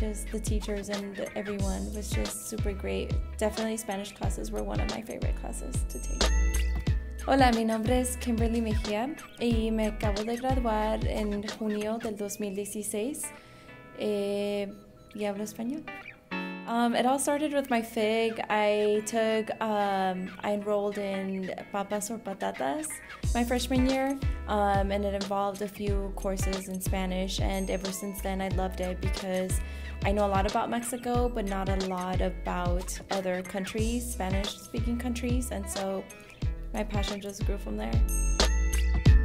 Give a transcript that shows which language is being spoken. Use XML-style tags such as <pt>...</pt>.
<en>The teachers and everyone was just super great. Definitely Spanish classes were one of my favorite classes to take.</en> <es>Hola, mi nombre es Kimberly Mejia y me acabo de graduar en junio del 2016. ¿Y hablo español?</es> <en>It all started with my FIG. I enrolled in Papas or Patatas my freshman year, and it involved a few courses in Spanish, and ever since then I loved it because I know a lot about Mexico, but not a lot about other countries, Spanish-speaking countries, and so my passion just grew from there.</en>